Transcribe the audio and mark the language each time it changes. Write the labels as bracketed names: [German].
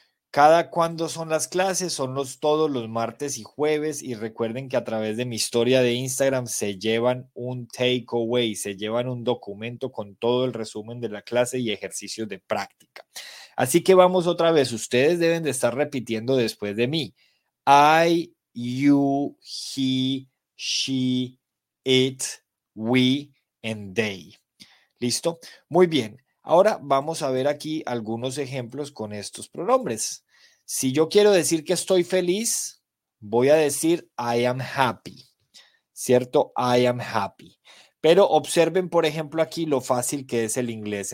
[Spanish] Cada cuándo son las clases, son todos los martes y jueves. Y recuerden que a través de mi historia de Instagram se llevan un takeaway, se llevan un documento con todo el resumen de la clase y ejercicios de práctica. Así que vamos otra vez. Ustedes deben de estar repitiendo después de mí. [English] I, you, he, she, it, we, and they. [Spanish] ¿Listo? Muy bien. Ahora vamos a ver aquí algunos ejemplos con estos pronombres. Si yo quiero decir que estoy feliz, voy a decir [English] I am happy. [Spanish] ¿Cierto? [English] I am happy. [Spanish] Pero observen, por ejemplo, aquí lo fácil que es el inglés.